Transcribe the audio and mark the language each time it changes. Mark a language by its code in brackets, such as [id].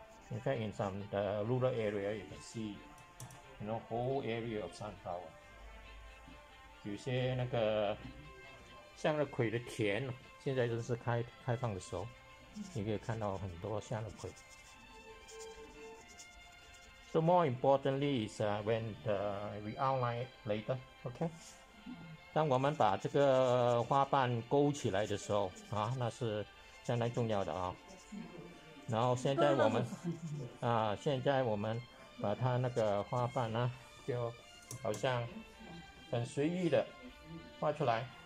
[en] In fact, in some the rural area, you can see, you know, whole area of sunflower. [zh] 有些那个向日葵的田，现在正是开放的时候，你可以看到很多向日葵。 [en] So more importantly is when we outline later, okay? [zh] 当我们把这个花瓣勾起来的时候，啊，那是相当重要的啊。然后现在我们，啊，现在我们把它那个花瓣呢，就好像很随意的画出来。